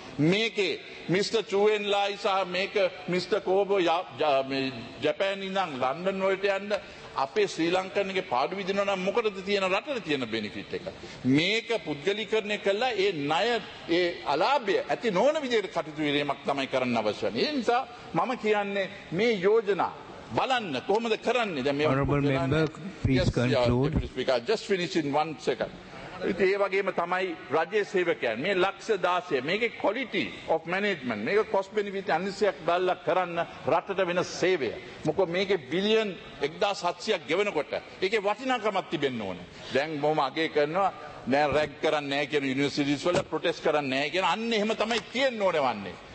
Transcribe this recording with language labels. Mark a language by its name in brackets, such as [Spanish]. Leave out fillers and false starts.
[Sinhala] මේකේ මිස්ටර් චූවෙන් ලායි සහ මේක මිස්ටර් කෝබෝ ජපෑන් ඉඳන් ලන්ඩන් වලට යන්න අපේ ශ්‍රී ලංකන්ගේ පාඩු විදිනවා නම් මොකටද තියෙන රටට තියෙන බෙනිෆිට් එක? මේක පුද්ගලීකරණය කළා ඒ ණය ඒ අලාභය ඇති නොවන විදිහට කටයුතු වීමක් තමයි කරන්න අවශ්‍ය වෙන්නේ. ඒ නිසා මම කියන්නේ මේ යෝජනා බලන්න කොහොමද කරන්නේ දැන් මේ [English] honorable member please conclude. Yes, speaker, just finish in 1 second. [Sinhala] ඒ වගේම තමයි රජයේ සේවකයන් මේ ලක්ෂ 16 මේකේ [English] quality of management [Sinhala] මේක [English] cost benefit analysis [Sinhala] බලලා කරන්න රටට වෙන සේවය. මොකද මේකේ බිලියන් 1700ක් ගෙවනකොට ඒකේ වටිනාකමක් තිබෙන්න ඕනේ. දැන් බොහොම අගේ කරනවා දැන් රැග් කරන්නේ නැහැ කියන යුනිවර්සිටිස් වල protest කරන්නේ නැහැ කියන අන්න එහෙම තමයි තියෙන්න ඕනේ වන්නේ.